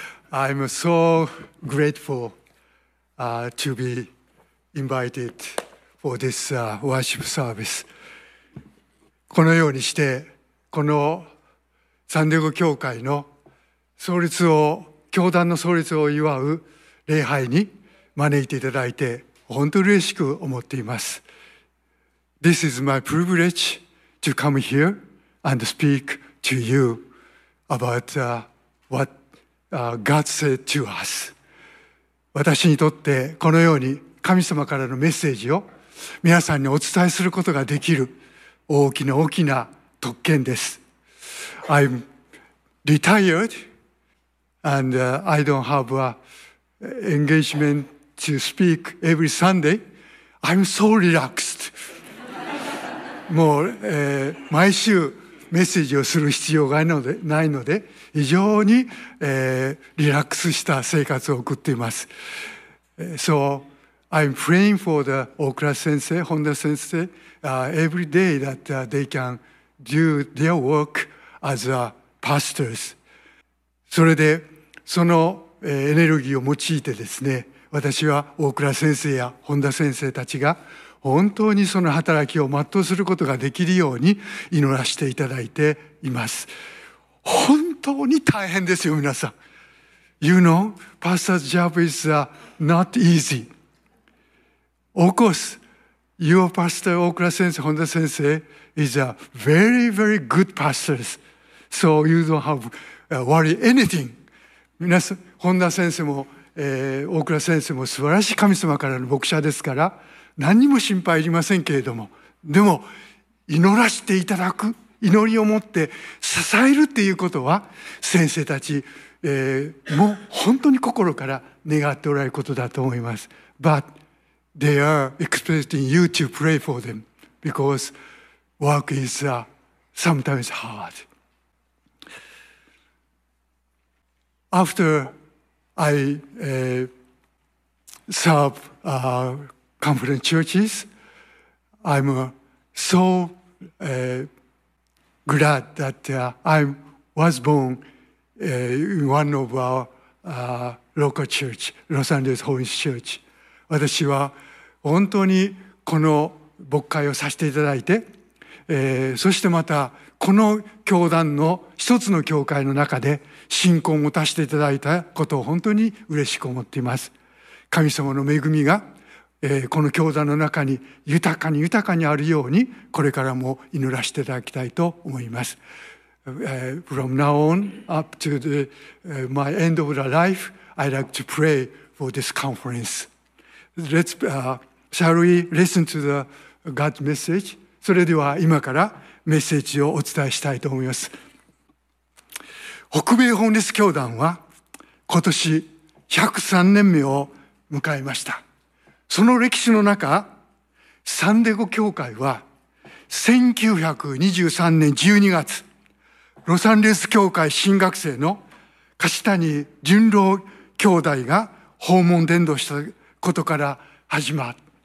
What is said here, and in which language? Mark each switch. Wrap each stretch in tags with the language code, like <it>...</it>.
<en>I'm so grateful, to be invited for this, worship service.</en> <ja>このようにしてこのサンデーゴ教会の創立を教団の創立を祝う礼拝に招いていただいて本当に嬉しく思っています。</ja> <en>This is my privilege to come here and speak to you about what God said to us。</en> <ja>私にとってこのように神様からのメッセージを皆さんにお伝えすることができる大きな大きな特権です。</ja> <en>I'm retired and I don't have a engagement to speak every Sunday. I'm so relaxed.</en> <ja>もう、毎週メッセージをする必要がないので非常に、リラックスした生活を送っています。</ja> <en>So I'm praying for the 大倉先生、本田先生、every day that they can do their work as a pastors.</en> <ja>それでそのエネルギーを用いてですね、私は大倉先生や本田先生たちが本当にその働きを全うすることができるように祈らせていただいています。本当に大変ですよ皆さん。</ja> <en>You know, pastor's job is not easy. Of course, your pastor 大倉先生、本田先生 is a very very good pastors. So you don't have worry anything.</en> <ja>皆さん、本田先生も大倉先生も素晴らしい神様からの牧者ですから何にも心配いりませんけれども、でも祈らせていただく、祈りを持って支えるっていうことは先生たち、もう本当に心から願っておられることだと思います。</ja> <en>But they are expecting you to pray for them because work is sometimes hard. AfterI serve conference churches. I'm so glad that I was born in one of our local church, Los Angeles Holiness Church.</en> <ja>私は本当にこの牧会をさせていただいて、そしてまたこの教団の一つの教会の中で信仰を持たせていただいたことを本当に嬉しく思っています。神様の恵みが、この教団の中に豊かに豊かにあるようにこれからも祈らせていただきたいと思います。</ja> <en>From now on up to the, my end of the life I'd like to pray for this conference. Let's, shall we listen to the God's message?</en> <ja>それでは今からメッセージをお伝えしたいと思います。北米ホーネス教団は今年103年目を迎えました。その歴史の中、サンデゴ教会は1923年12月ロサンゼルス教会新学生の梶谷純郎兄弟が訪問伝道したことから始まる。</ja>